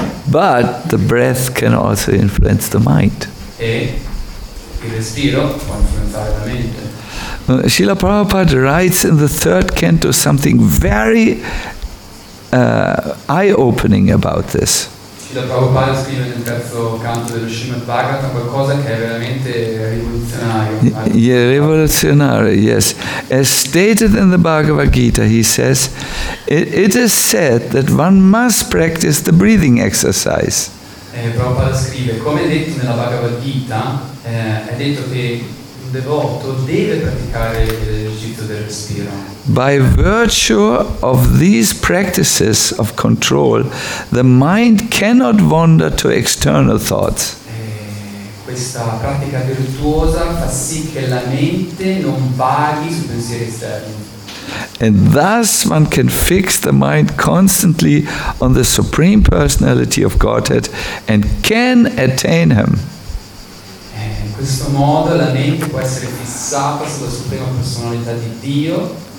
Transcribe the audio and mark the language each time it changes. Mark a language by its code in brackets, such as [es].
[en] But the breath can also influence the mind. [it] E il respiro può influenzare la mente. [en] Srila Prabhupada writes in the third canto something very eye-opening about this. [it] Srila Prabhupada scrive nel terzo canto dello Srimad Bhagavatam qualcosa che è veramente rivoluzionario. Rivoluzionario, yes. [en] As stated in the Bhagavad Gita, he says, it is said that one must practice the breathing exercise. [it] Prabhupada scrive, come detto nella Bhagavad Gita, è detto che un devoto deve praticare l'esercizio del respiro. [en] By virtue of these practices of control, the mind cannot wander to external thoughts. [it] Questa pratica virtuosa fa sì che la mente non vaghi su pensieri esterni. [en] And thus one can fix the mind constantly on the Supreme Personality of Godhead and can attain Him. [it] In questo modo la mente può essere fissata sulla Suprema Personalità di Dio.